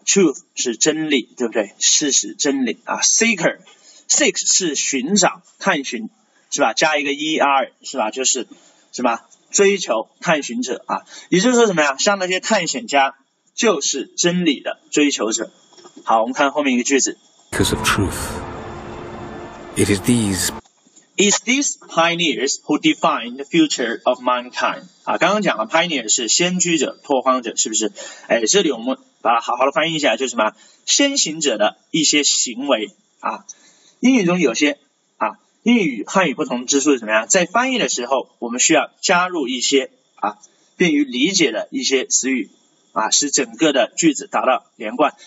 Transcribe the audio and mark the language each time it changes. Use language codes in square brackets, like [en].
[zh] Truth 是真理，对不对？事实、真理啊。Seek 是寻找、探寻，是吧？加一个 er， 是吧？就是什么？追求探寻者啊，也就是说什么呀？像那些探险家就是真理的追求者。好，我们看后面一个句子。 [en] Because of truth, it is these. It's these pioneers who define the future of mankind. [zh] 啊，刚刚讲了 pioneer 是先驱者、拓荒者，是不是？哎，这里我们把它好好的翻译一下，就是什么？先行者的一些行为啊。英语中有些。英语汉语不同之处是什么呀？在翻译的时候我们需要加入一些啊便于理解的一些词语啊，使整个的句子达到连贯。